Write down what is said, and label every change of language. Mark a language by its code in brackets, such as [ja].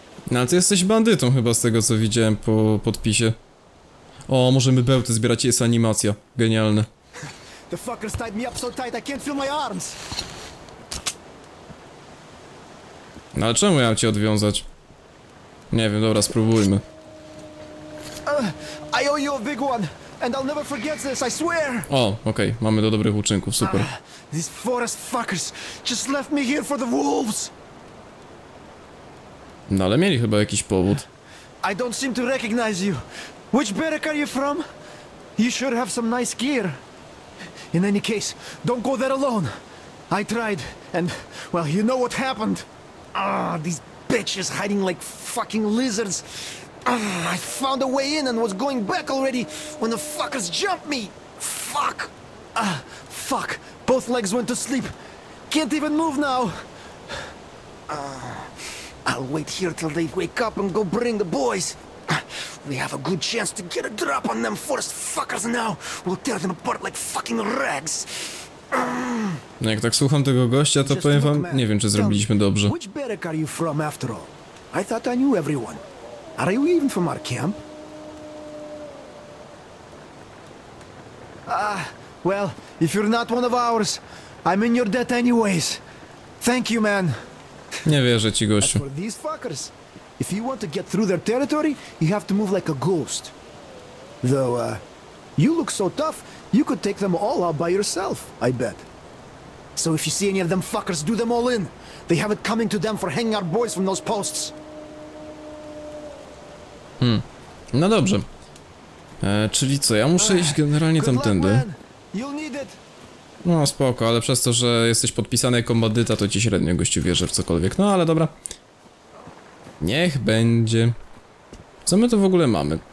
[pl] No ale ty jesteś bandytą chyba z tego co widziałem po podpisie. O, możemy bełty zbierać, jest animacja. Genialne. [en] The fuckers tied me up so tight, I can't feel my arms. [pl] No ale czemu ja mam cię odwiązać? Nie wiem, dobra, spróbujmy. [en] I owe you a big one, and I'll never forget this, I swear. [pl] O, okej, okay. Mamy do dobrych uczynków, super. [en] These forest fuckers just left me here for the wolves. [pl] No ale mieli chyba jakiś powód. [en] I don't seem to recognize you. Which barrack are you from? You should have some nice gear. In any case, don't go there alone. I tried, and well, you know what happened. Ah, these bitches hiding like fucking lizards. I found a way in and was going back already when the fuckers jumped me. Fuck. Fuck. Both legs went to sleep. Can't even move now. I'll wait here till they wake up and go bring the boys. We have a good chance to get a drop on them forest fuckers now. We'll tear them apart like fucking rags. [pl] No jak tak słucham tego gościa, to powiem wam, nie wiem, czy zrobiliśmy dobrze. [en] Which barrack are you from after all? I thought I knew everyone. Are you even from our camp? Well, if you're not one of ours, I'm in your debt anyways. Thank you, man. [pl] Nie wierzę ci, gościu. [en] For these fuckers, if you want to get through their territory, you have to move like a ghost. Though, you look so tough, you could take them all out by yourself, I bet. So if you see any of them fuckers, do them all in. They have it coming to them for hanging our boys from those posts. [pl] Hmm. No dobrze. Czyli co, ja muszę iść generalnie tamtędy. No spoko, ale przez to, że jesteś podpisany jako bandyta, to ci średnio gościu wierzę w cokolwiek. No ale dobra. Niech będzie. Co my tu w ogóle mamy?